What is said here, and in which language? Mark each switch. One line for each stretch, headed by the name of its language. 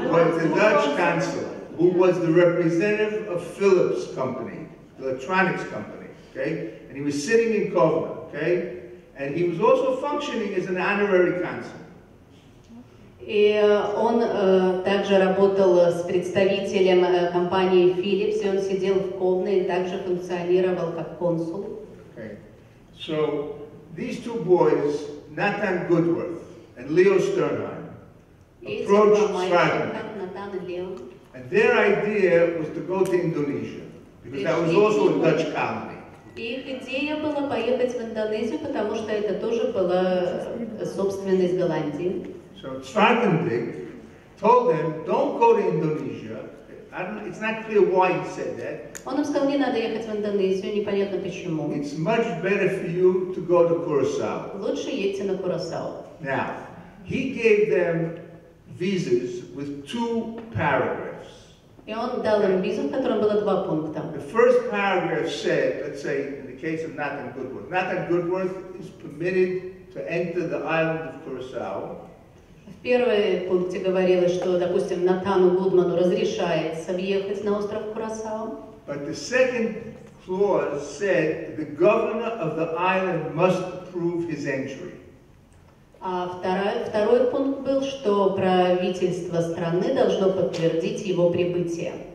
English: Was the Dutch consul who was the representative of Philips company, electronics company. Okay. And he was sitting in Kovna, okay? And he was also functioning as an honorary consul.
Russian: И он также работал с представителем компании Philips, и он сидел в Ковне и также функционировал как консул.
English: Okay. So these two boys, Nathan Goodworth and Leo Sternheim, approached Svartnik. And their idea was to go to Indonesia, because that was also a Dutch colony.
Russian: Их идея была поехать в Индонезию, потому что это тоже была собственность Голландии.
English: So Svartnik told them, don't go to Indonesia. It's not clear why he said that.
Russian: Он им сказал, не надо ехать в Индонезию, непонятно почему.
English: It's much better for you to go to Curaçao.
Russian: Лучше едьте на Курасао.
English: Now, he gave them visas with two paragraphs.
Russian: И он дал им визу, в котором было два пункта.
English: The first paragraph said, let's say, in the case of Nathan Goodworth, Nathan Goodworth is permitted to enter the island of Curaçao.
Russian: В первой пункте говорилось, что, допустим, Натану Гудману разрешается въехать на остров Курасао.
English: But the second clause said the governor of the island must approve his entry.
Russian: А второй пункт был, что правительство страны должно подтвердить его прибытие.